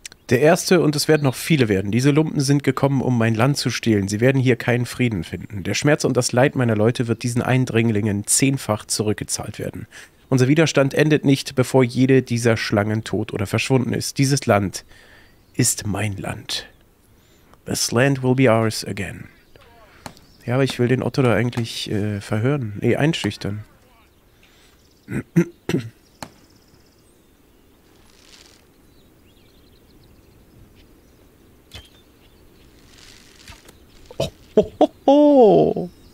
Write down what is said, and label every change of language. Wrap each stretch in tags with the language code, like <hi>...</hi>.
<de>Der Erste, und es werden noch viele werden. Diese Lumpen sind gekommen, um mein Land zu stehlen. Sie werden hier keinen Frieden finden. Der Schmerz und das Leid meiner Leute wird diesen Eindringlingen zehnfach zurückgezahlt werden. Unser Widerstand endet nicht, bevor jede dieser Schlangen tot oder verschwunden ist. Dieses Land ist mein Land.</de> <en>This land will be ours again.</en> <de>Ja, aber ich will den Otto da eigentlich verhören. Nee, einschüchtern. Oh.</de>